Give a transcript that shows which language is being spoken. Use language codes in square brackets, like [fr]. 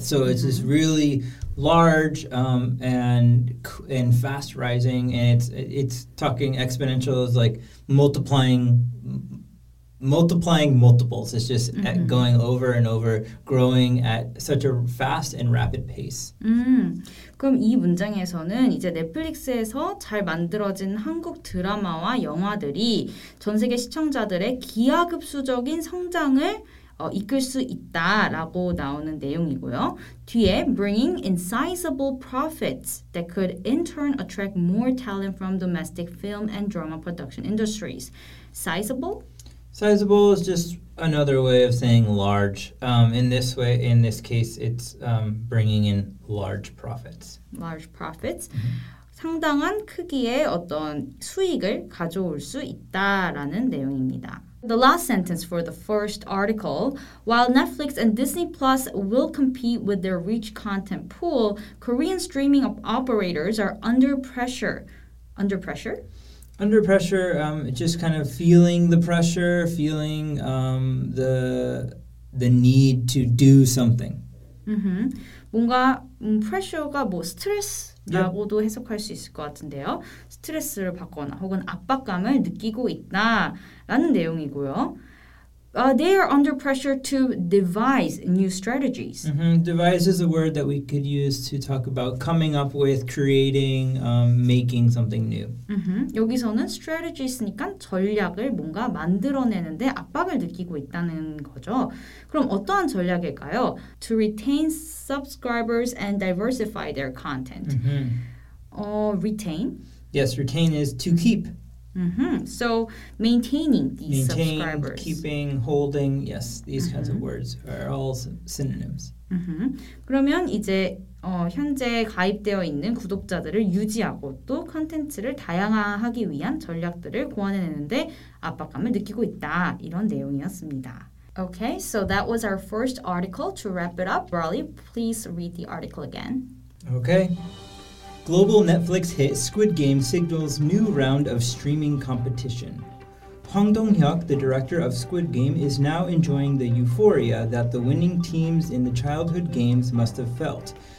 [en] So it's this really large and fast rising, and it's talking exponential is like multiplying multiples. It's just going over and over, growing at such a fast and rapid pace. [ko] 그럼 이 문장에서는 이제 넷플릭스에서 잘 만들어진 한국 드라마와 영화들이 전 세계 시청자들의 기하급수적인 성장을 이끌 수 있다라고 나오는 내용이고요. [en] 뒤에 bringing insizable profits that could in turn attract more talent from domestic film and drama production industries. Sizable? Sizable is just another way of saying large. In this case, it's bringing in large profits. Large profits. Mm-hmm. [ko] 상당한 크기의 어떤 수익을 가져올 수 있다라는 내용입니다. [en] The last sentence for the first article. While Netflix and Disney Plus will compete with their rich content pool, Korean streaming operators are under pressure. Under pressure? Under pressure, just kind of feeling the pressure, feeling the need to do something. [ko] Mm-hmm. 뭔가 pressure가 뭐 스트레스라고도 해석할 수 있을 것 같은데요. 스트레스를 받거나 혹은 압박감을 느끼고 있다라는 내용이고요. [en] They are under pressure to devise new strategies. Mm-hmm. Devise is a word that we could use to talk about coming up with, creating, making something new. [ko] Mm-hmm. 여기서는 strategies니까 전략을 뭔가 만들어내는데 압박을 느끼고 있다는 거죠. 그럼 어떠한 전략일까요? [en] To retain subscribers and diversify their content. Mm-hmm. Retain? Yes, retain is to keep. Mm-hmm. So, maintaining subscribers. Keeping, holding, yes, these kinds of words are all synonyms. Mm-hmm. [ko] 그러면 이제 현재 가입되어 있는 구독자들을 유지하고 또 콘텐츠를 다양화하기 위한 전략들을 고안해내는데 압박감을 느끼고 있다, 이런 내용이었습니다. [en] Okay, so that was our first article. To wrap it up, Brawley, please read the article again. Okay. Global Netflix hit Squid Game signals new round of streaming competition. Hwang Dong-hyuk, the director of Squid Game, is now enjoying the euphoria that the winning teams in the childhood games must have felt.